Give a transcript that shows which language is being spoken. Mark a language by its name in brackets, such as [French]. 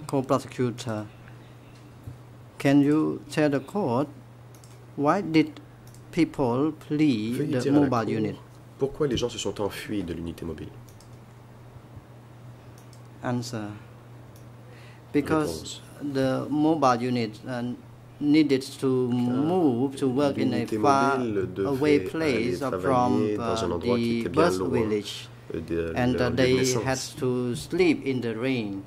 [English] Co-prosecutor, can you tell the court why did people flee the mobile unit? [French] Pourquoi les gens se sont enfuis de l'unité mobile? [English] Answer. Because [French] Réponse. [English] The mobile unit needed to move to work in a far away place from the birth village, and they had to sleep in the rain.